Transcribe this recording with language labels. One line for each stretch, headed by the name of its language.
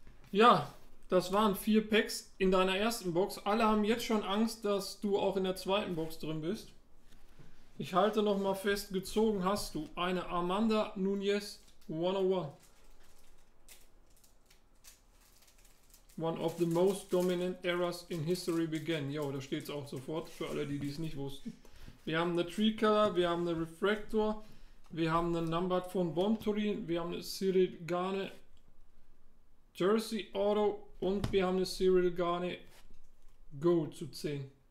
German: Ja. Das waren 4 Packs in deiner ersten Box. Alle haben jetzt schon Angst, dass du auch in der zweiten Box drin bist. Ich halte noch mal fest, gezogen hast du eine Amanda Nunez 101.
English: One of the most dominant eras in history began.
German: Jo, da steht es auch sofort für alle, die es nicht wussten. Wir haben eine Tree Color, wir haben eine Refractor, wir haben eine Numbered von Bonturin, wir haben eine Cyril Garnet Jersey Auto. Und wir haben eine Cyril Garnet Go zu 10.